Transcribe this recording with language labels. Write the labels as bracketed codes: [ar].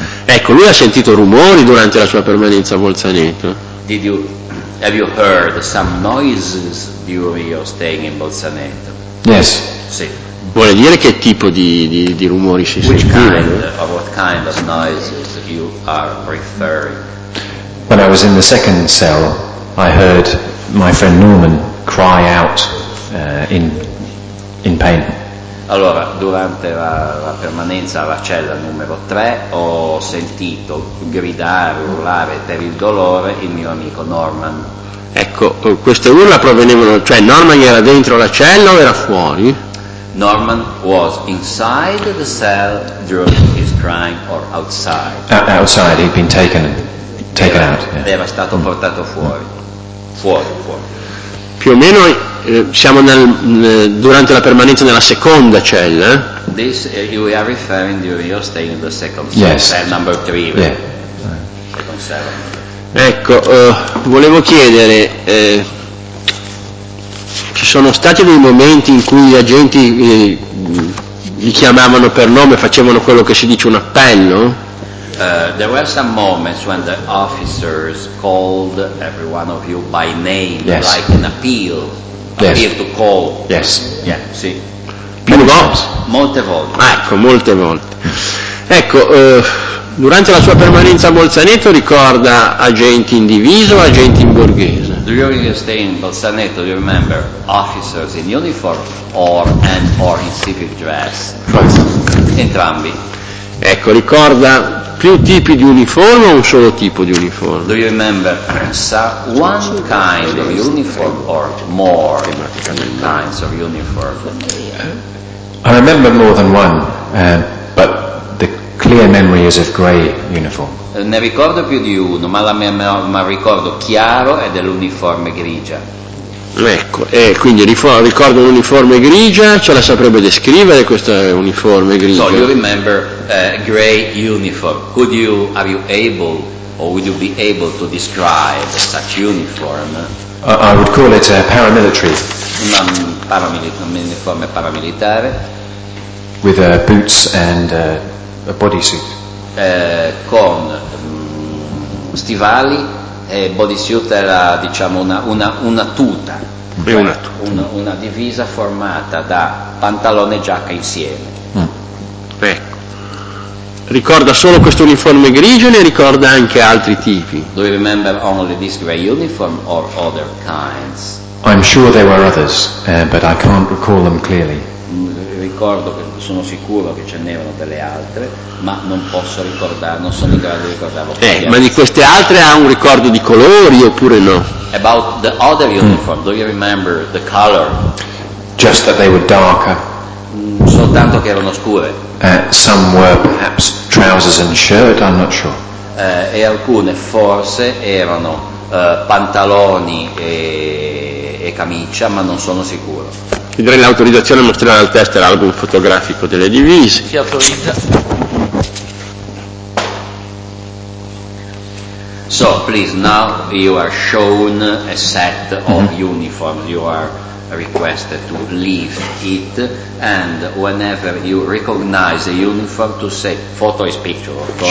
[it] Ecco, lui ha sentito rumori durante la sua permanenza a Bolzaneto. [en] Have you heard some noises during your staying in Bolzaneto? Yes. [it] Sì. Vuole dire che tipo di rumori si sentivano? [en] What kind of noises you are referring? When I was in the second cell, I heard my friend Norman cry out in pain. [it] Allora, durante la permanenza alla cella numero 3 ho sentito gridare, urlare per il dolore il mio amico Norman. Ecco, queste urla provenivano, cioè Norman era dentro la cella o era fuori? [en] Norman was inside the cell during his crying or outside? Outside, he'd been taken out. Yeah. [it] Era stato portato fuori. Fuori. Più o meno siamo durante la permanenza nella seconda cella. [en] This you are referring to your staying in the second cell. Yes. Cell number 3. Yeah. Second cell. [it] Ecco, volevo chiedere, ci sono stati dei momenti in cui gli agenti li chiamavano per nome, facevano quello che si dice un appello? [en] There were some moments when the officers called every one of you by name. Yes. Like an appeal. Yes. Appeal to call. Yes. Yeah, sì. [it] Più volte? Molte volte. Ecco, molte volte. Ecco, durante la sua permanenza a Bolzaneto ricorda agenti in divisa o agenti in borghese? [en] During your stay in Bolzaneto, do you remember officers in uniform or in civil dress? [it] Entrambi. Ecco, ricorda più tipi di uniforme o un solo tipo di uniforme? [en] Do you remember one kind of uniform or more kinds of uniform? I remember more than one, but the clear memory is of grey uniform. [it] Ne ricordo più di uno, ma ma ricordo chiaro è dell'uniforme grigia. Ecco, e quindi ricordo un'uniforme grigia, ce la saprebbe descrivere questa uniforme grigia? [en] So you remember grey uniform. Are you able or would you be able to describe such uniform? I would call it a paramilitary. [it] Un'uniforme paramilitare. [en] With boots and a bodysuit. [it] Con stivali. Bodysuit era, diciamo, una tuta. Beh, una tuta. Una divisa formata da pantalone e giacca insieme. Ecco. Ricorda solo questo uniforme grigio o ne ricorda anche altri tipi? [en] Do you remember only this grey uniform or other kinds? I'm sure there were others, but I can't recall them clearly. [it] Ricordo che sono sicuro che ce n'erano delle altre, ma non posso ricordare, non sono in grado di ricordarlo. Ma di queste altre ha un ricordo di colori oppure no? [en] About the other uniform, do you remember the color? Just that they were darker. [it] Soltanto che erano scure. [en] Some were perhaps trousers and shirt, I'm not sure. [it] E alcune forse erano pantaloni e camicia, ma non sono sicuro. Ti darei l'autorizzazione a mostrare al test l'album fotografico delle divise. Si autorizza. [en] So please, now you are shown a set of uniforms. You are requested to leave it, and whenever you recognize a uniform, to say photo is picture, of course,